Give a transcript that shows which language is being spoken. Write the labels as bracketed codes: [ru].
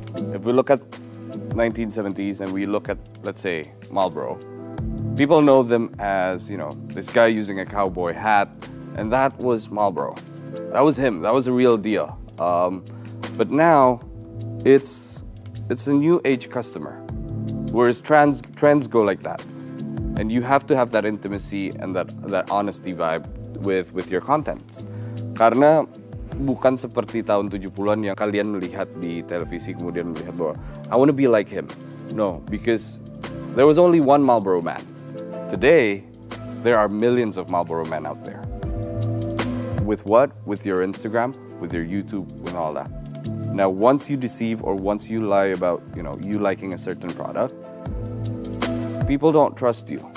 [en] If we look at 1970s and we look at, let's say, Marlboro, people know them as, you know, this guy using a cowboy hat, and that was Marlboro. That was him, that was the real deal. But now, it's a new age customer, whereas trends go like that. And you have to have that intimacy and that honesty vibe with your contents. [id] Karena bukan seperti tahun 70-an yang kalian melihat di televisi kemudian melihat bahwa, [en] I want to be like him. No, because there was only one Marlboro man. Today, there are millions of Marlboro men out there. With what? With your Instagram, with your YouTube, with all that. Now, once you deceive or once you lie about, you know, you liking a certain product, people don't trust you.